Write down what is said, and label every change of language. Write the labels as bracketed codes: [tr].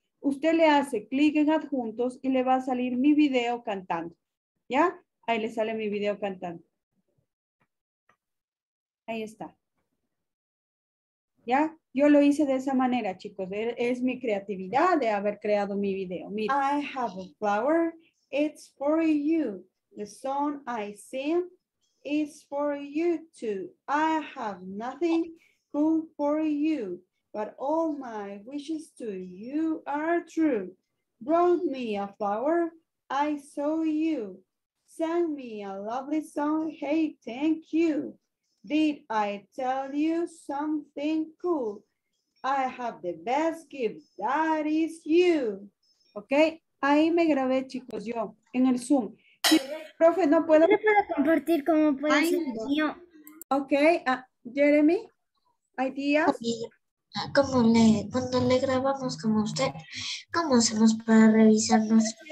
[es] Usted le hace clic en adjuntos y le va a salir mi video cantando. ¿Ya? Ahí le sale mi video cantando. Ahí está. ¿Ya? Yo lo hice de esa manera, chicos. Es mi creatividad de haber creado mi video. [en] Mira. I have a flower. It's for you. The song I sing is for you too. I have nothing good for you. But all my wishes to you are true. Brought me a flower, I saw you. Sang me a lovely song, hey, thank you. Did I tell you something cool? I have the best gift, that is you. [es] Ok, ahí me grabé, chicos, yo, en el Zoom. Sí, profe, no puedo. No puedo compartir cómo puede ser yo. Ok, Jeremy, ideas. Okay. ¿Cómo cuando le grabamos como usted? ¿Cómo hacemos para revisarnos?